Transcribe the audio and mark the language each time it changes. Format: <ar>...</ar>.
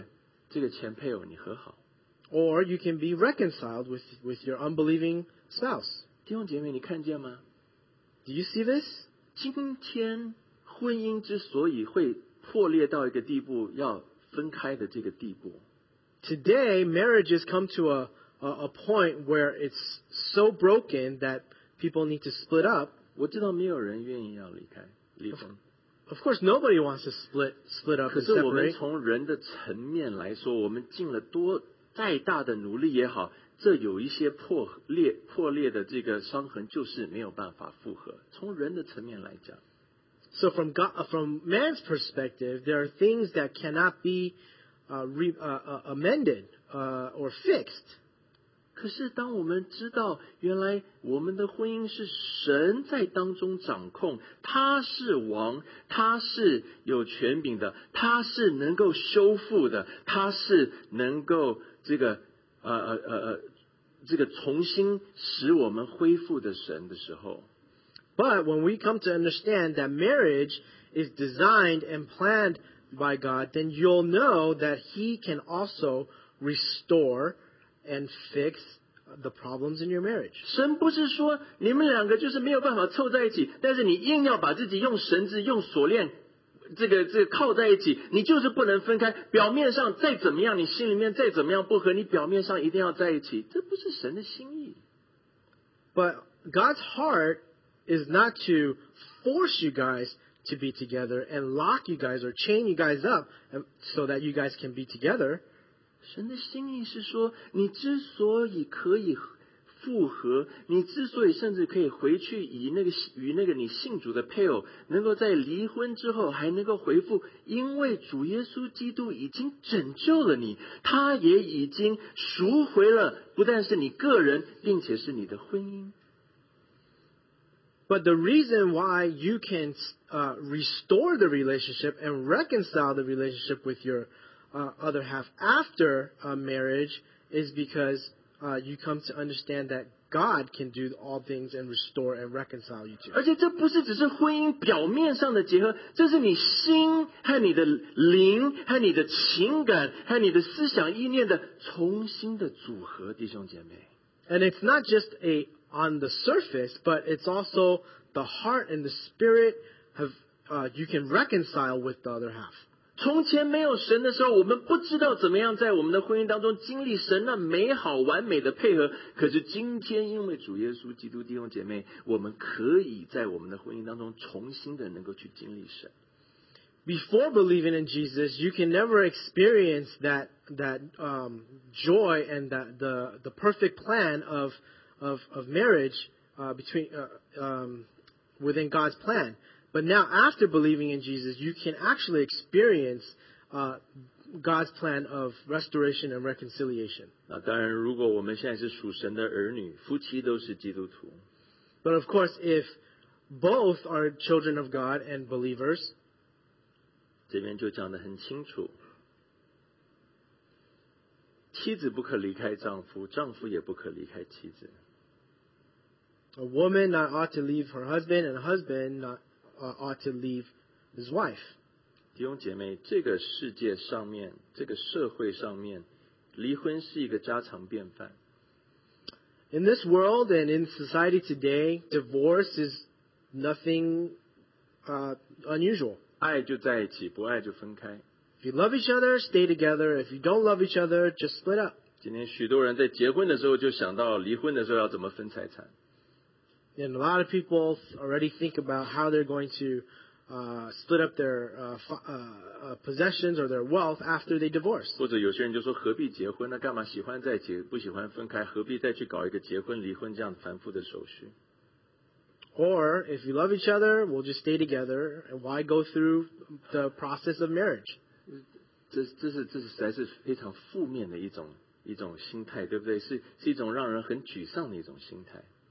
<zh>要不然的话，你可以回去与你的这个前配偶你和好。</zh> <en>Or you can be reconciled with your unbelieving spouse.</en> <zh>弟兄姐妹，你看见吗？</zh> <en>Do you see this?</en> <zh>今天婚姻之所以会 破裂到一个地步，要分开的这个地步。</zh> <en>Today, marriage has come to a point where it's so broken that people need to split up.</en> <zh>我知道没有人愿意要离开，离婚。</zh> <en>Of course, nobody wants to split up and separate.</en> <zh>可是我们从人的层面来说，我们尽了多再大的努力也好，这有一些破裂的这个伤痕，就是没有办法复合。从人的层面来讲。</zh> <en>So from God, from man's perspective, there are things that cannot be amended or fixed.</en> <zh>可是当我们知道原来我们的婚姻是神在当中掌控，他是王，他是有权柄的，他是能够修复的，他是能够重新使我们恢复的神的时候。</zh> <en>But when we come to understand that marriage is designed and planned by God, then you'll know that He can also restore and fix the problems in your marriage.</en> <zh>神不是说你们两个就是没有办法凑在一起，但是你硬要把自己用绳子用锁链靠在一起，你就是不能分开，表面上再怎么样，你心里面再怎么样不合，你表面上一定要在一起，这不是神的心意。</zh> <en>But God's heart is not to force you guys to be together and lock you guys or chain you guys up so that you guys can be together.</en> <zh>神的心意是说，你之所以可以复合，你之所以甚至可以回去与那个你信主的配偶能够在离婚之后还能够回复，因为主耶稣基督已经拯救了你，他也已经赎回了不但是你个人并且是你的婚姻。</zh> <en>But the reason why you can restore the relationship and reconcile the relationship with your other half after a marriage is becauseyou come to understand that God can do all things and restore and reconcile you two.</en> <zh>而且这不是只是婚姻表面上的结合，这是你心和你的灵和你的情感和你的思想意念的重新的组合，弟兄姐妹。</zh> <en>And it's not just a on the surface, but it's also the heart and the spirit have, you can reconcile with the other half.</en> <zh>从前没有神的时候，我们不知道怎么样在我们的婚姻当中经历神那美好完美的配合，可是今天因为主耶稣基督，弟兄姐妹，我们可以在我们的婚姻当中重新的能够去经历神。</zh> <en>Before believing in Jesus, you can never experience that joy and that the perfect plan of marriage within God's plan. But now, after believing in Jesus, you can actually experience God's plan of restoration and reconciliation.</en> <zh>那当然，如果我们现在是属神的儿女，夫妻都是基督徒。</zh> <en>But of course, if both are children of God and believers,</en> <zh>这边就讲得很清楚，妻子不可离开丈夫，丈夫也不可离开妻子。</zh> <en>A woman not ought to leave her husband, and a husband not. Ought to leave his wife.</en> <zh>弟兄姐妹，这个世界上面，这个社会上面，离婚是一个家常便饭。</zh> <en>In this world and in society today, divorce is nothing unusual.</en> <zh>爱就在一起，不爱就分开。</zh> <en>If you love each other, stay together. If you don't love each other, just split up.</en> <zh>今天许多人在结婚的时候就想到离婚的时候要怎么分财产。</zh> <en>And a lot of people already think about how they're going to split up their possessions or their wealth after they divorce.</en> <zh>或者有些人就说何必结婚呢？干嘛喜欢在一起，不喜欢分开？何必再去搞一个结婚、离婚这样繁复的手续？</zh> <en>Or if you love each other, we'll just stay together. And why go through the process of marriage?</en> <zh>这是实在是非常负面的一种心态，对不对？是一种让人很沮丧的一种心态。</zh>